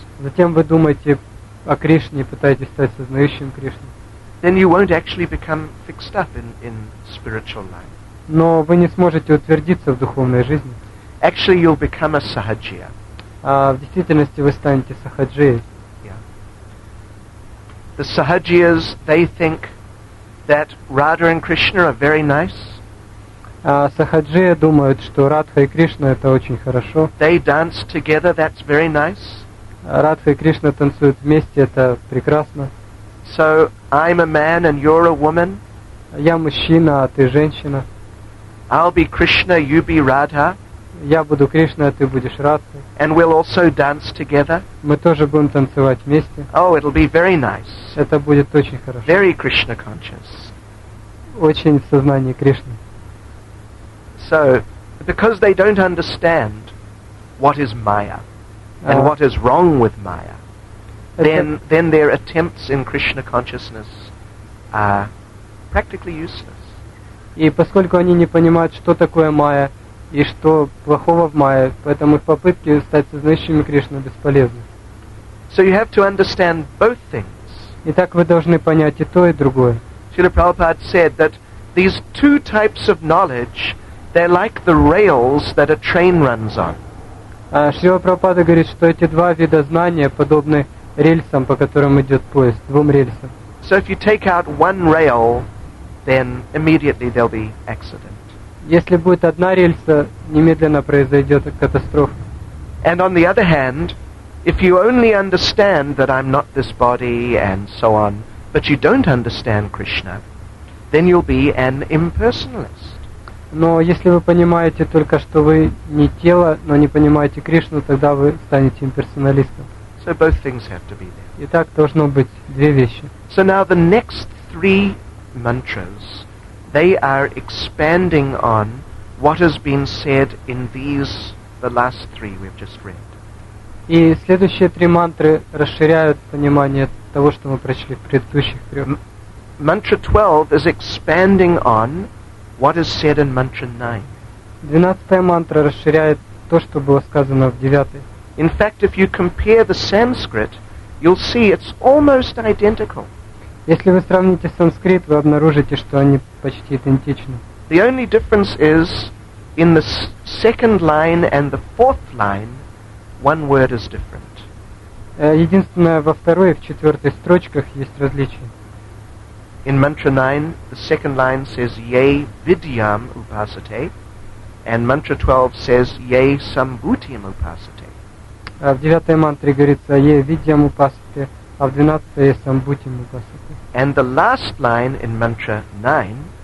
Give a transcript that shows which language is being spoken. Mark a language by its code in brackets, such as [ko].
[ru] Затем вы думаете о Кришне, пытаетесь стать сознающим Кришну. [en] Then you won't actually become fixed up in spiritual life. [ru] Но вы не сможете утвердиться в духовной жизни. [en] Actually, you'll become a sahajiya. [ru] А в действительности вы станете сахаджией. [en] The Sahajiyas, they think that Radha and Krishna are very nice. [ru] Сахаджия думают, что Радха и Кришна это очень хорошо. [en] They dance together, that's very nice. [ru] Радха и Кришна танцуют вместе, это прекрасно. [en] So I'm a man and you're a woman. [ru] Я мужчина, а ты женщина. [en] I'll be Krishna, you be Radha. [ru] Я буду Кришна, а ты будешь Радха. [en] And we'll also dance together. [ru] Мы тоже будем танцевать вместе. [en] Oh, it'll be very nice. [ru] Это будет очень хорошо. [en] Very Krishna conscious. [ru] Очень в сознании Кришны. [en] So, because they don't understand what is Maya and what is wrong with Maya, then their attempts in Krishna consciousness are practically useless. [ru] И поскольку они не понимают, что такое Maya, и что плохого в Майе, поэтому попытки стать сознающими Кришны бесполезны. [en] So you have to understand both things. [ru] Итак, вы должны понять и то, и другое. [en] Srila Prabhupada said that these two types of knowledge, they're like the rails that a train runs on. [ru] Srila Prabhupada говорит, что эти два вида знания подобны рельсам, по которым идет поезд, двум рельсам. [en] So if you take out one rail, then immediately there'll be accident. [ru] Если будет одна рельса, немедленно произойдет катастрофа. [en] And on the other hand, if you only understand that I'm not this body and so on, but you don't understand Krishna, then you'll be an impersonalist. [ru] Но если вы понимаете только, что вы не тело, но не понимаете Кришну, тогда вы станете имперсоналистом. [en] So both things have to be there. [ru] Итак, должно быть две вещи. [en] So now the next three mantras, they are expanding on what has been said in these, the last three we've just read. [ru] И следующие три мантры расширяют понимание того, что мы прочли в предыдущих трех. [en] Mantra 12 is expanding on what is said in mantra 9. [ru] 12-я мантра расширяет то, что было сказано в 9-й. [en] In fact, if you compare the Sanskrit, you'll see it's almost identical. [ru] Если вы сравните санскрит, вы обнаружите, что они почти идентичны. [en] The only difference is in the second line and the fourth line, one word is different. [ru] Единственное, во второй и в четвертой строчках есть различие. [en] In mantra 9, the second line says [sa] yay vidyam upasate, [en] and mantra 12 says [sa] yay sambhutyam upasate. [ru] В девятой мантре говорится [sa] yay vidyam upasate, [ru] а в двенадцатой есть [sa] sambhutyam upasate. [en] And the last line in mantra 9